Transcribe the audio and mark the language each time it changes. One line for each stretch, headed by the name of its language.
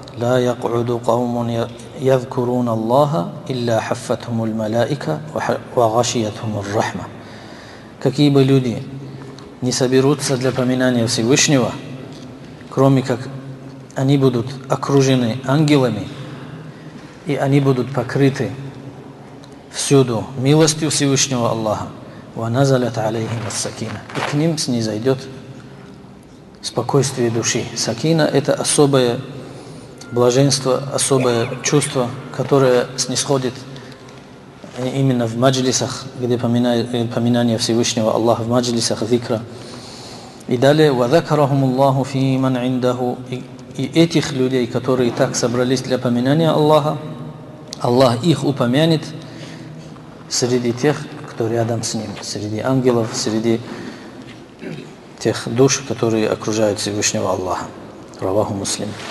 Arabic: لا يقعد قوم يذكرون الله إلا حفتهم الملائكة وغشيتهم الرحمة.
Russian: كيف люди не соберутся для поминания Всевышнего, кроме как они будут окружены ангелами и они будут покрыты всюду милостью Всевышнего Аллаха.
Arabic: وَنَزَلَتْ عَلَيْهِمَ السَّكِينَةِ.
Russian: И к ним снизойдет спокойствие души. Сакина – это особое блаженство, особое чувство, которое снисходит именно в маджлисах, где поминание Всевышнего Аллаха, в маджлисах зикра. И далее
Arabic: وَذَكَرَهُمُ اللَّهُ فِي مَنْ عِنْدَهُ.
Russian: И этих людей, которые так собрались для поминания Аллаха, Аллах их упомянет среди тех, кто рядом с ним, среди ангелов, среди тех душ, которые окружают Всевышнего Аллаха. Раваху Муслим.